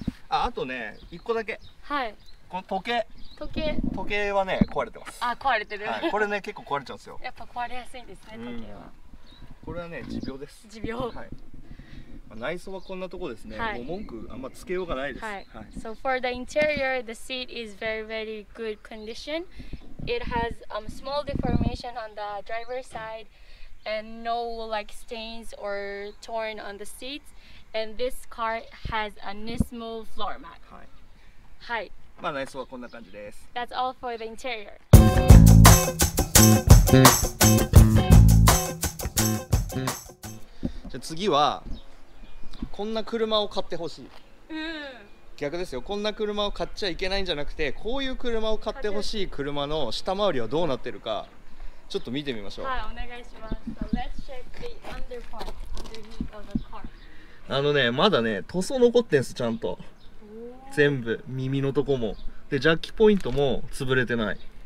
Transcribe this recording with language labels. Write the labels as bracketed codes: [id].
[ja] あ、あとね、一個だけ。はい。この時計。時計。時計はね、壊れてます。あ、壊れてる。はい、これね、結構壊れちゃうんですよ。やっぱ壊れやすいんですね、時計は。これはね、持病です。持病。はい。内装はこんなとこですね、はい、もう文句あんまつけようがないです、はいはい、 [en] So for the interior, the seat is very very good condition. It has a small deformation on the driver's side and no like stains or torn on the seats. And this car has a Nismo floor mat. [ja] はい、はい、まあ内装はこんな感じです。 [en] That's all for the interior. [ja] じゃあ次はこんな車を買ってほしい、うん、逆ですよ、こんな車を買っちゃいけないんじゃなくてこういう車を買ってほしい車の下回りはどうなってるかちょっと見てみましょう。はい、お願いします。 [en] So let's check the under part underneath of the car. [ja] あのね、まだね、塗装残ってんす、ちゃんと全部、耳のとこもで、ジャッキポイントも潰れてない。